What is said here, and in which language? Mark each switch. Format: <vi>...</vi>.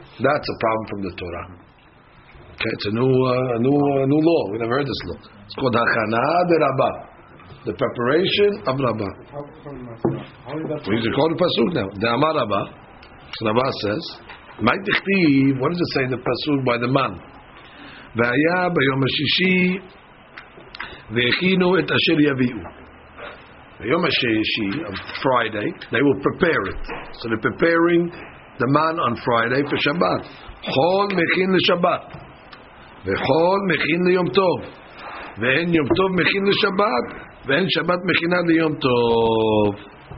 <en>That's a problem from the Torah. Okay, it's a new law. We never heard this law. It's called Hachana de Rabbah. The preparation of Rabbah. He's recording Pasuk now. The Amar Rabbah. So Rabbah says, what does it say in the Pasuk by the man?</en> <he>והיה ביום השישי והכינו את אשר יביאו. ביום השישי,</he> <en>on Friday, they will prepare it. So they're preparing the man on Friday for Shabbat.</en> <he>חול מכין לשבת. וחול מכין ליום טוב. ואין יום טוב מכין לשבת. ואין שבת מכינה ליום טוב.</he>